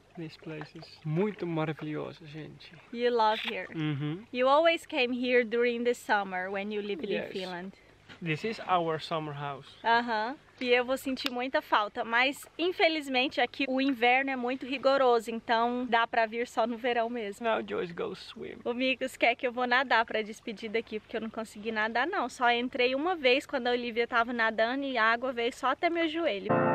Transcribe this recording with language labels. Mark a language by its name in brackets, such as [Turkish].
[English] This place is [Portuguese] muito maravilhoso, gente. [English] You love here. Uh-huh. You always came here during the summer when you lived in Finland. This is our summer house. Aham. [Portuguese] E eu vou sentir muita falta, mas infelizmente aqui o inverno é muito rigoroso, então dá pra vir só no verão mesmo. [English] Now Joyce goes swim. [Portuguese] O Mikos quer que eu vou nadar pra despedir daqui, porque eu não consegui nadar não. Só entrei uma vez quando a Olivia tava nadando e a água veio só até meu joelho.